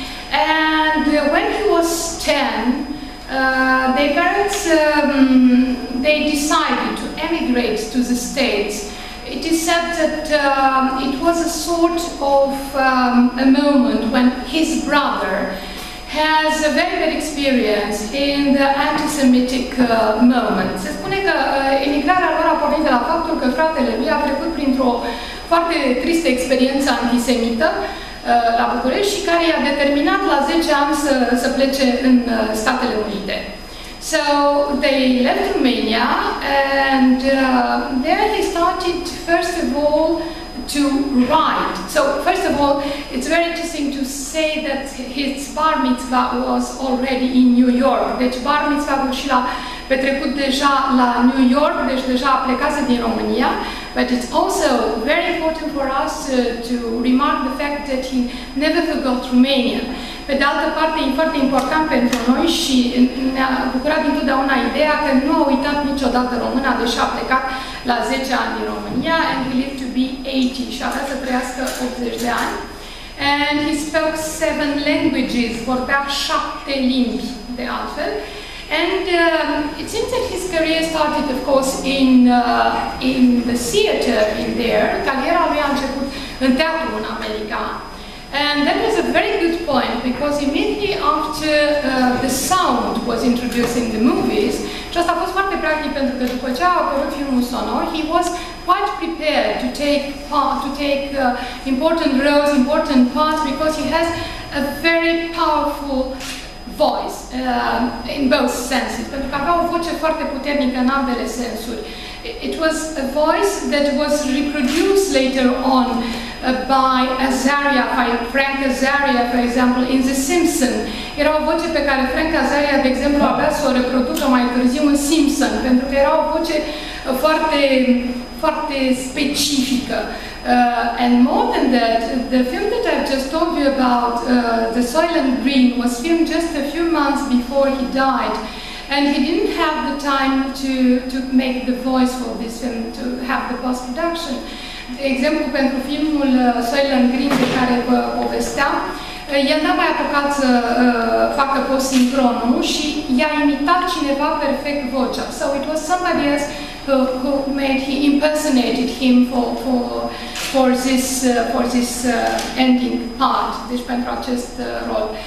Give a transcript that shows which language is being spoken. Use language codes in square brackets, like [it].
[en] And when he was 10, their parents they decided to emigrate to the States. It is said that it was a sort of a moment when his brother has a very bad experience in the anti-Semitic moment. [ro] Se spune că emigrarea lor a pornit de la faptul că fratele lui a trecut printr-o foarte tristă experiență antisemită la București și care i-a determinat la 10 ani să plece în Statele Unite. [en] So they left Romania, and there he started, first of all, to write. So first of all, it's very interesting to say that his bar mitzvah was already in New York. [ro] Deci bar mitzvah și l-a petrecut deja la New York, deci deja a plecat din România. [en] But it's also very important for us to remark the fact that he never forgot Romania. [ro] Pe de altă parte, e foarte important pentru noi și ne-a bucurat întotdeauna ideea că nu a uitat niciodată româna, deși a plecat la 10 ani din România, [en] and he lived to be 80, [ro] și avea să trăiască 80 de ani. [en] And he spoke 7 languages, [ro] vorbea 7 limbi, de altfel. [en] And it seems that his career started, of course, in the theater in there. [ro] Cariera lui a început în teatru în America. [en] And that was a very good point, because immediately after the sound was introduced in the movies, [ro] și asta a fost foarte practic pentru că după ce a apărut filmul sonor, [en] he was quite prepared to take part, to take important roles, important parts, because he has a very powerful voice in both senses. [ro] Pentru că avea o voce foarte puternică în ambele sensuri. [en] It was a voice that was reproduced later on by Azaria, by Frank Azaria, for example, in The Simpsons. [ro] Era o voce pe care Frank Azaria, de exemplu, avea să o reproducă mai târziu în Simpsons, pentru că era o voce foarte, foarte specifică. [en] And more than that, the film that I've just told you about, The Soylent Green, was filmed just a few months before he died. And he didn't have the time to make the voice for this film, to have the post-production. [ro] De exemplu, pentru filmul Soylent Green, de care vă povesteam, El n-a mai apucat să facă post-sincronul și i-a imitat cineva perfect vocea. [en] So it was somebody else who made, he impersonated him for this ending part, [ro] deci pentru acest rol.